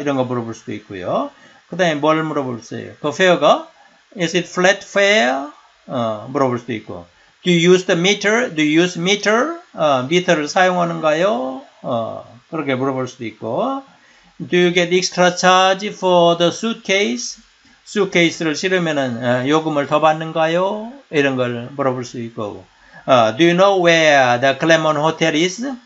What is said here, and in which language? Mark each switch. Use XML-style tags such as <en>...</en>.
<ko>이런 거 물어볼 수도 있고요. 그 다음에 뭘 물어볼 수 있어요?</ko> <en>그 fare가? Is it flat fare?</en> <ko>물어볼 수도 있고.</ko> <en>Do you use the meter? Do you use meter?</en> <ko>meter를 사용하는가요? 그렇게 물어볼 수도 있고.</ko> <en>Do you get extra charge for the suitcase?</en> <ko>수트케이스를 실으면은 요금을 더 받는가요? 이런 걸 물어볼 수 있고.</ko> <en>Do you know where the Claremont Hotel is?</en>